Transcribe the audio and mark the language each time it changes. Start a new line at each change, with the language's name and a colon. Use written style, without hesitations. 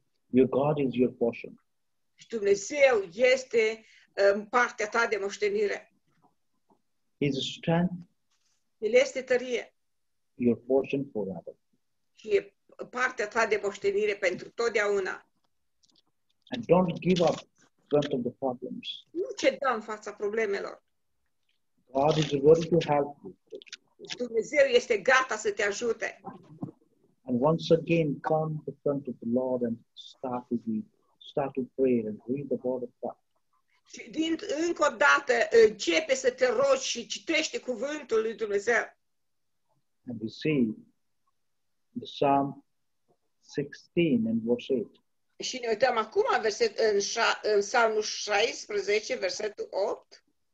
English: Your God is your portion.
Romanian: Dumnezeu este partea ta de moștenire.
English: His strength.
Romanian: El este tărie.
English: Your portion forever.
Romanian: Și partea ta de moștenire pentru totdeauna.
English: And don't give up in front of the problems.
Romanian: Nu ceda în fața problemelor.
English: God is ready to help you.
Romanian: Dumnezeu este gata să te ajute.
English: And once again, come to front of the Lord and start to pray and read the word of God.
Romanian: Și încă o dată, începe să te rogi și citește cuvântul lui Dumnezeu.
English: And we see the Psalm 16 and verse 8.
Romanian: Și ne uităm acum în Psalmul 16, versetul 8.